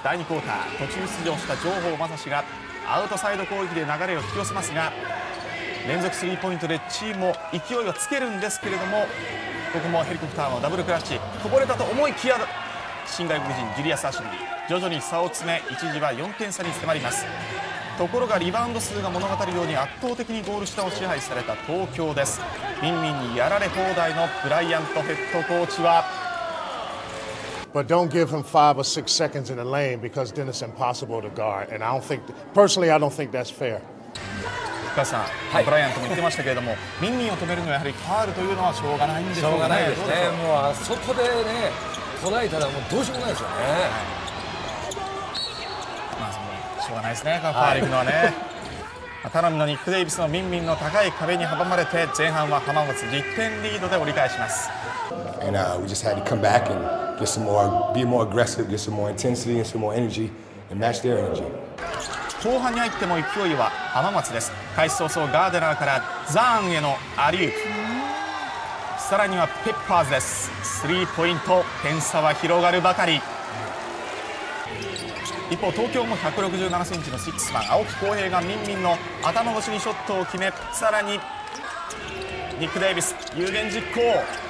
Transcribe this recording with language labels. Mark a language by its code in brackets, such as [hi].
[ja] 第2クォーター途中出場した上方正志がアウトサイド攻撃で流れを引き寄せますが、連続スリーポイントでチームを勢いをつけるんですけれども、ここもヘリコプターのダブルクラッチ、こぼれたと思いきや新外国人ジュリアス・アシュリー、徐々に差を詰め一時は4点差に迫ります。ところがリバウンド数が物語るように圧倒的にゴール下を支配された東京です。ミンミンにやられ放題のブライアントヘッドコーチは、 [en] But don't give him five or six seconds in the lane because then it's impossible to guard. And I don't think, personally, I don't think that's fair. [ja] お母さん、はい、ブライアントも言ってましたけれども、ミンミンを止めるのはやはりファールというのはしょうがないんでしょうかね。しょうがないですね。もう外でね、捉えたらもうどうしようもないですよね。まあ、しょうがないですね、ファール行くのはね。頼みのニック・デイビスのミンミンの高い壁に阻まれて、前半は浜松10点リードで折り返します。 [en] And, we just had to come back and... Get some more, be more aggressive, get some more intensity and some more energy and match their energy. [ja] 後半に入っても勢いは浜松です。開始早々ガーデナーからザーンへのアリウープ。さらにはペッパーズです。スリーポイント、点差は広がるばかり。一方東京も167センチのシックスマン、青木浩平がミンミンの頭越しにショットを決め、さらにニック・デイビス、有言実行。